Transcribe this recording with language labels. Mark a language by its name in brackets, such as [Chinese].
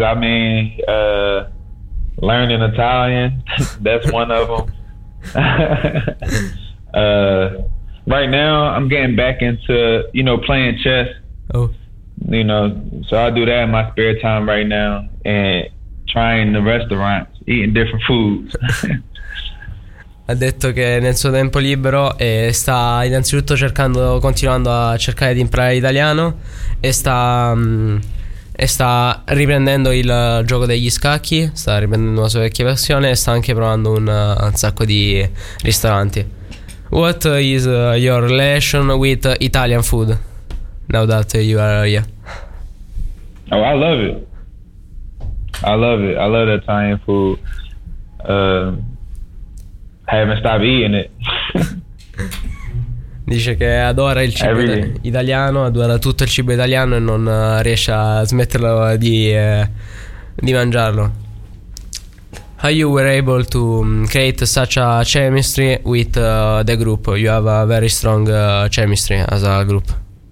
[English] I mean, learning Italian, that's one of them. Right now I'm getting back into, you know, playing chess. Oh. You know, so I do that in my spare time right now, and trying the restaurants, eating different foods. [Italian] Ha detto che nel suo tempo libero sta innanzitutto continuando a cercare di imparare l'italiano, e sta riprendendo il gioco degli scacchi, sta riprendendo la sua vecchia passione, e sta anche provando un sacco di ristoranti. [English] What is your relation with Italian food now that you are here? Oh, I love it. I love the Italian food. Haven't stopped eating it. [Italian] Dice che adora il cibo italiano, adora tutto il cibo italiano e non riesce a smetterlo di mangiarlo. [English] How you were able to create such a chemistry with the group? You have a very strong chemistry as a group.